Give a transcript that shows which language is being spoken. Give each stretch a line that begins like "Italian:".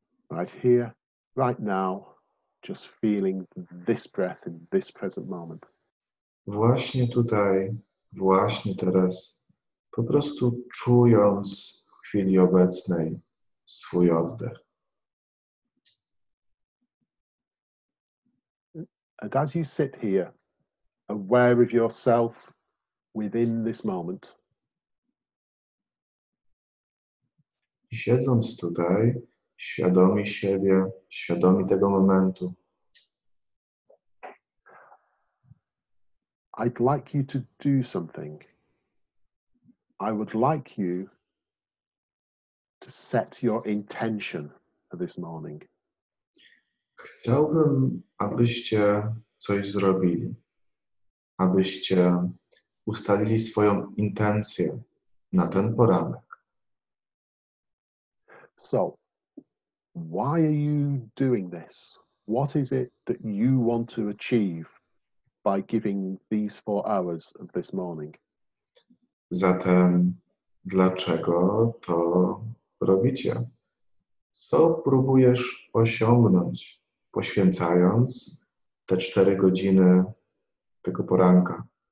English: Right here, right now, just feeling this breath in this present moment.
Polish: Właśnie tutaj, właśnie teraz, po prostu czując w chwili obecnej swój oddech.
English: And as you sit here, aware of yourself within this moment.
Polish: I siedząc tutaj, świadomi siebie, świadomi tego momentu.
English: I'd like you to do something. I would like you to set your intention for this morning.
Polish: Chciałbym, abyście coś zrobili, abyście ustalili swoją intencję na ten poranek.
English: So, why are you doing this? What is it that you want to achieve by giving these 4 hours of this morning?
Polish: Zatem, dlaczego to robicie? Co próbujesz osiągnąć, poświęcając te 4 godziny tego poranka?